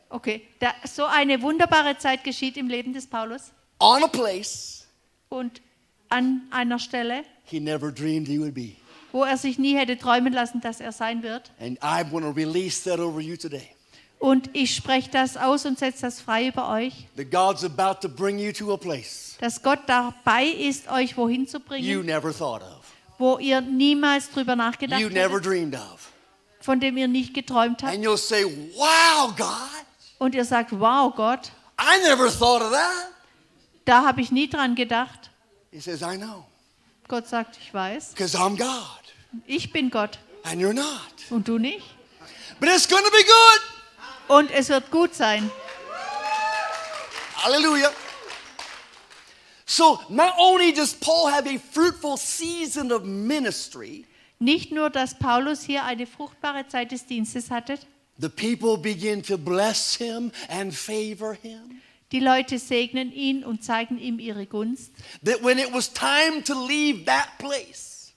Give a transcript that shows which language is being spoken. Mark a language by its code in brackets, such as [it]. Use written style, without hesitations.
[de] Okay, da, so eine wunderbare Zeit geschieht im Leben des Paulus. [en] On a place. [de] Und an einer Stelle. [en] He never dreamed he would be. [de] Wo er sich nie hätte träumen lassen, dass er sein wird. [en] And I want to release that over you today. [de] Und ich spreche das aus und setze das frei über euch. [en] That God's about to bring you to a place. [de] Dass Gott dabei ist, euch wohin zu bringen. [en] You never thought of. [de] Wo ihr niemals drüber nachgedacht [en] you never [de] hättet, [en] dreamed of. [de] Von dem ihr nicht geträumt habt. [en] And you'll say, wow, God. [de] Und ihr sagt, wow, Gott. [en] I never thought of that. [de] Da habe ich nie dran gedacht. [en] He says, I know. [de] Gott sagt, ich weiß. [en] Because I'm God. [de] Ich bin Gott. [en] And you're not. [de] Und du nicht. [en] But it's gonna be good. [de] Und es wird gut sein. [en] Halleluja. So not only does Paul have a fruitful season of ministry. [de] Nicht nur, dass Paulus hier eine fruchtbare Zeit des Dienstes hatte. [en] The people begin to bless him and favor him. [de] Die Leute segnen ihn und zeigen ihm ihre Gunst. [en] That when it was time to leave that place.